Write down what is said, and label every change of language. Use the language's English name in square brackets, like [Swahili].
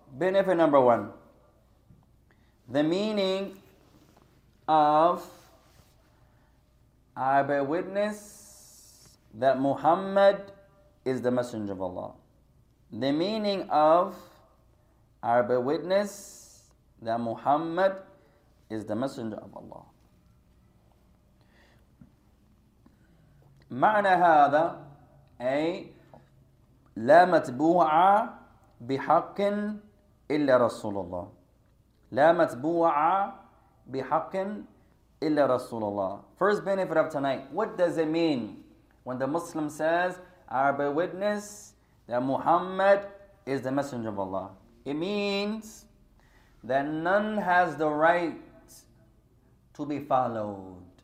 [English] Benefit number one. The meaning of I bear witness that Muhammad is the Messenger of Allah. The meaning of I bear witness that Muhammad is the Messenger of Allah. [Arabic] معنى هذا أي لا متبوع بحق إلا رسول الله. لا متبوع بحق إلا رسول الله. [English] First benefit of tonight. What does it mean when the Muslim says, I bear witness that Muhammad is the Messenger of Allah? It means that none has the right to be followed.